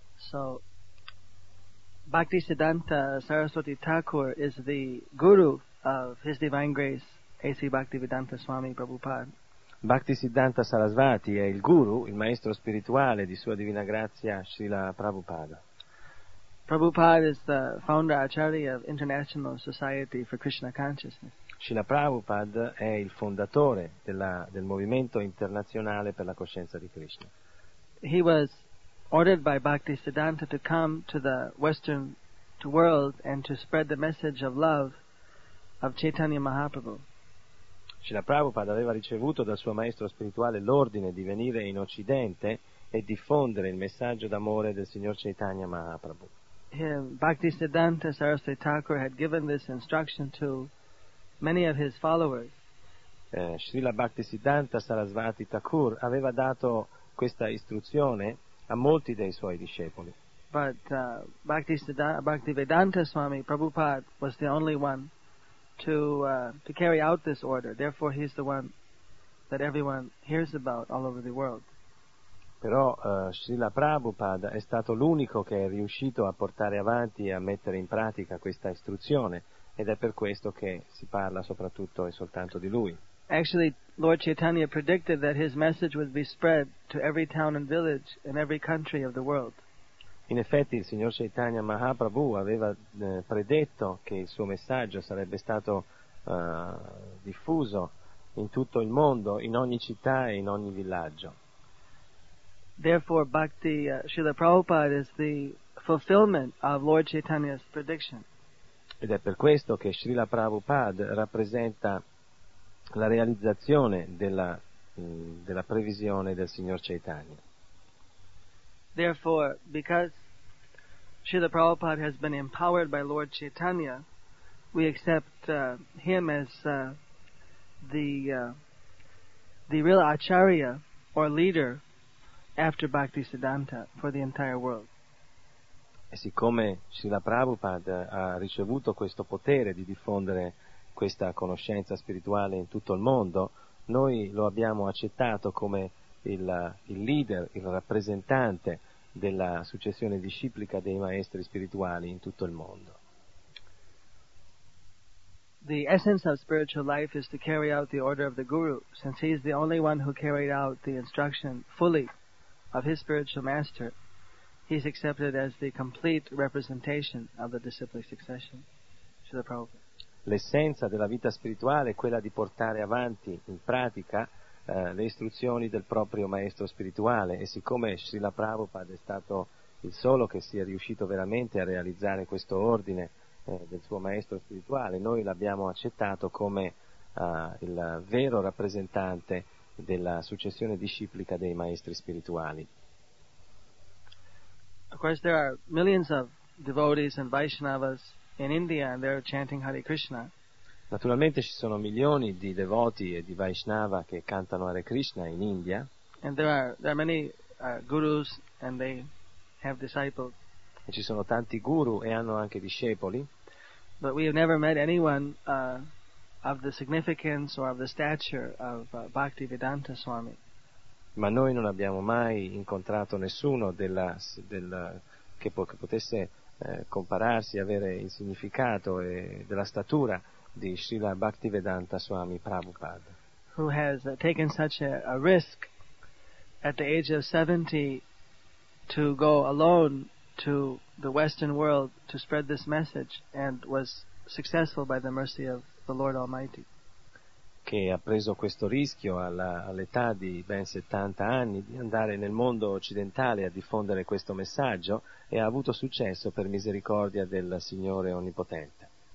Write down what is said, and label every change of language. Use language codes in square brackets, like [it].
[en] So, Bhaktisiddhanta Saraswati Thakur is the guru of His Divine Grace, A.C. Bhaktivedanta Swami Prabhupada. [it] Bhaktisiddhanta Saraswati è il guru, il maestro spirituale di Sua Divina Grazia, Srila Prabhupada. [en] Prabhupada is the founder acharya of International Society for Krishna Consciousness. [it] Srila Prabhupada è il fondatore del movimento internazionale per la coscienza di Krishna. [en] He was ordered by Bhaktisiddhanta to come to the Western world and to spread the message of love of Chaitanya Mahaprabhu. [it] Srila Prabhupada aveva ricevuto dal suo maestro spirituale l'ordine di venire in Occidente e diffondere il messaggio d'amore del signor Chaitanya Mahaprabhu. [en] Bhaktisiddhanta Saraswati Thakur had given this instruction to many of his followers. [it] Srila Bhaktisiddhanta Sarasvati Thakur aveva dato questa istruzione a molti dei suoi discepoli. [en] But Bhaktivedanta Swami Prabhupada was the only one to carry out this order. Therefore he's the one that everyone hears about all over the world. [it] Però Srila Prabhupada è stato l'unico che è riuscito a portare avanti e a mettere in pratica questa istruzione. Ed è per questo che si parla soprattutto e soltanto di lui. [en] Actually, Lord Chaitanya predicted that his message would be spread to every town and village in every country of the world. [it] In effetti il signor Chaitanya Mahaprabhu aveva predetto che il suo messaggio sarebbe stato diffuso in tutto il mondo, in ogni città e in ogni villaggio. [en] Therefore, Bhakti Srila Prabhupada is the fulfillment of Lord Chaitanya's prediction. [it] Ed è per questo che Srila Prabhupada rappresenta la realizzazione della previsione del signor Chaitanya. [en] Therefore, because Srila Prabhupada has been empowered by Lord Chaitanya, we accept him as the real acharya or leader after Bhakti Siddhanta for the entire world. [it] E siccome Srila Prabhupada ha ricevuto questo potere di diffondere questa conoscenza spirituale in tutto il mondo, noi lo abbiamo accettato come il leader, il rappresentante della successione disciplica dei maestri spirituali in tutto il mondo. [en] The essence of spiritual life is to carry out the order of the Guru, since he is the only one who carried out the instruction fully of his spiritual master. He is accepted as the complete representation of the disciplic succession to the Prabhupada. [it] L'essenza della vita spirituale è quella di portare avanti in pratica le istruzioni del proprio maestro spirituale, e siccome Srila Prabhupada è stato il solo che sia riuscito veramente a realizzare questo ordine del suo maestro spirituale, noi l'abbiamo accettato come il vero rappresentante della successione disciplica dei maestri spirituali. [en] Of course there are millions of devotees and Vaishnavas in India and they're chanting Hare Krishna. [it] Naturalmente ci sono milioni di devoti e di Vaishnava che cantano Hare Krishna in India. [en] And there are many gurus and they have disciples. [it] E ci sono tanti guru e hanno anche discepoli. [en] But we have never met anyone of the significance or of the stature of Bhaktivedanta Swami. [it] Ma noi non abbiamo mai incontrato nessuno che potesse compararsi, avere il significato e della statura di Srila Bhaktivedanta Swami Prabhupada, [en] who has taken such a risk at the age of 70 to go alone to the Western world to spread this message and was successful by the mercy of the Lord Almighty. [it] Che ha preso questo rischio all'età di ben 70 anni di andare nel mondo occidentale a diffondere questo messaggio e ha avuto successo per misericordia del Signore Onnipotente.